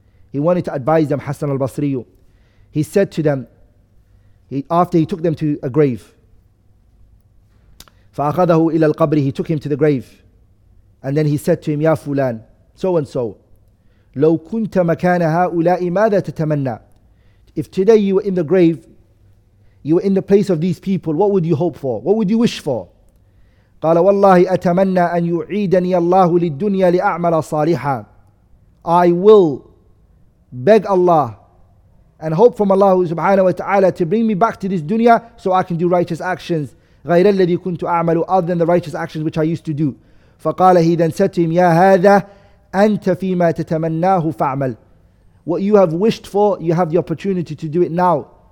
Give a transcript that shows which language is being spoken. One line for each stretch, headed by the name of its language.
English: He wanted to advise them, Hassan al-Basri. He said to them, after he took them to a grave,
Arabic: فَأَخَذَهُ إِلَى الْقَبْرِ
English: He took him to the grave. And then he said to him, Ya Fulan, so and so,
Arabic: لو كنت مكان هؤلاء ماذا تتمنى?
English: If today you were in the grave, you were in the place of these people, what would you hope for? What would you wish for?
Arabic: قال والله أتمنى أن يعيدني الله للدنيا لأعمل صالحا.
English: I will beg Allah and hope from Allah subhanahu wa ta'ala to bring me back to this dunya so I can do righteous actions.
Arabic: غير الذي كنت أعمل
English: other than the righteous actions which I used to do.
Arabic: فقال
English: he then said to him,
Arabic: يا هذا أنت فيما تتمناه فعمل.
English: What you have wished for, you have the opportunity to do it now.